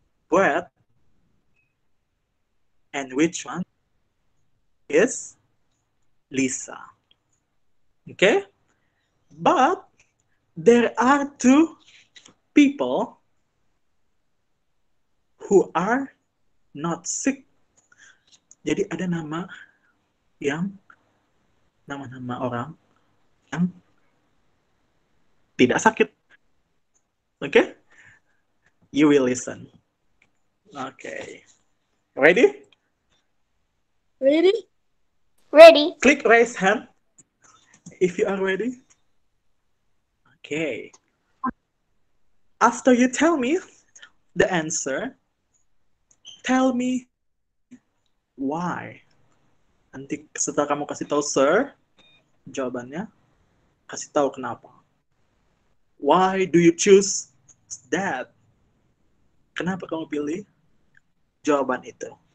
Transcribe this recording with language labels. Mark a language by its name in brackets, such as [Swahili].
[English] wet, and which one is Lisa. Okay? But there are two people who are not sick. [Indonesian] Jadi ada nama yang nama-nama orang yang tidak sakit. [English] Okay? You will listen. Okay. Ready? Ready? Ready. Click raise hand if you are ready. Okay. After you tell me the answer, tell me why. [Indonesian] Nanti setelah kamu kasih tahu sir jawabannya, kasih tahu kenapa. [English] Why do you choose that? [Indonesian] Kenapa kamu pilih jawaban itu?